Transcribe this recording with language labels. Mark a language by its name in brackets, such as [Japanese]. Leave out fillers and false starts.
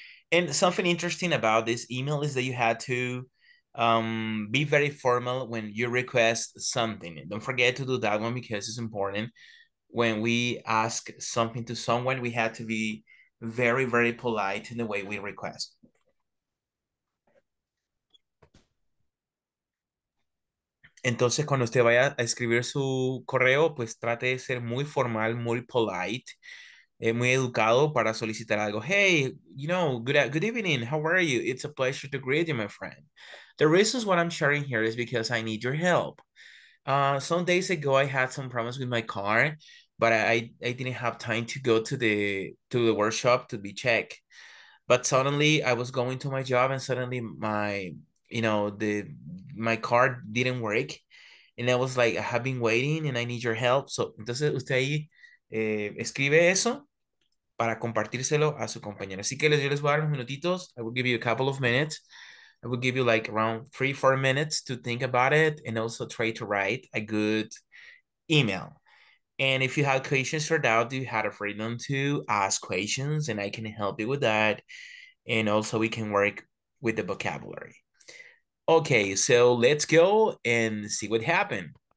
[English] And something interesting about this email is that you had to be very formal when you request something. Don't forget to do that one because it's important. When we ask something to someone, we have to be very, very polite in the way we request. [Spanish] Entonces, cuando usted vaya a escribir su correo, pues trate de ser muy formal, muy polite, muy educado para solicitar algo. [English] Hey, you know, good evening. How are you? It's a pleasure to greet you, my friend. The reason what I'm sharing here is because I need your help. Some days ago, I had some problems with my car, but I didn't have time to go to the workshop to be checked. But suddenly, I was going to my job and suddenly my car didn't work. And I was like, I have been waiting and I need your help. [Spanish] So, entonces usted ahí escribe eso para compartírselo a su compañero. Así que yo les voy a dar unos minutitos. [English] I will give you a couple of minutes. I will give you like around 3-4 minutes to think about it and also try to write a good email. And if you have questions or doubt, you have a freedom to ask questions and I can help you with that. And also we can work with the vocabulary. Okay, so let's go and see what happened.